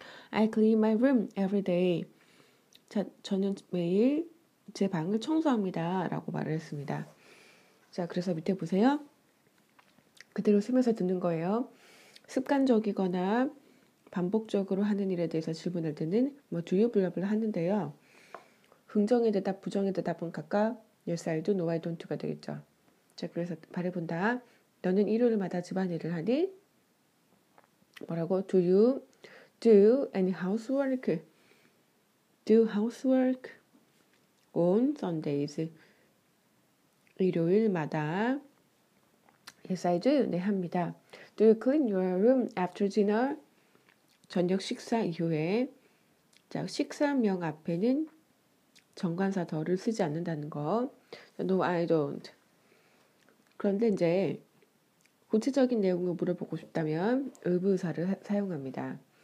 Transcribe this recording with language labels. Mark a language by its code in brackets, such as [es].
[en] I clean my room every day. [ko] 자, 저는 매일 제 방을 청소합니다 라고 말을 했습니다. 자, 그래서 밑에 보세요. 그대로 쓰면서 듣는 거예요. 습관적이거나 반복적으로 하는 일에 대해서 질문할 때는 뭐 [en] do you [ko] 블라블라 하는데요. 긍정의 대답, 부정의 대답은 각각 [en] yes, I do, no, I don't [ko] 가 되겠죠. 자, 그래서 말해본다. 너는 일요일마다 집안일을 하니? 뭐라고? [en] Do you do any housework? Do housework on Sundays. [ko] 일요일마다. [en] Yes, I do. [ko] 네, 합니다. [en] Do you clean your room after dinner? [ko] 저녁 식사 이후에. 자, 식사명 앞에는 정관사 더를 쓰지 않는다는 거. [en] No, I don't. [ko] 그런데 이제 구체적인 내용을 물어보고 싶다면 의부사를 사용합니다.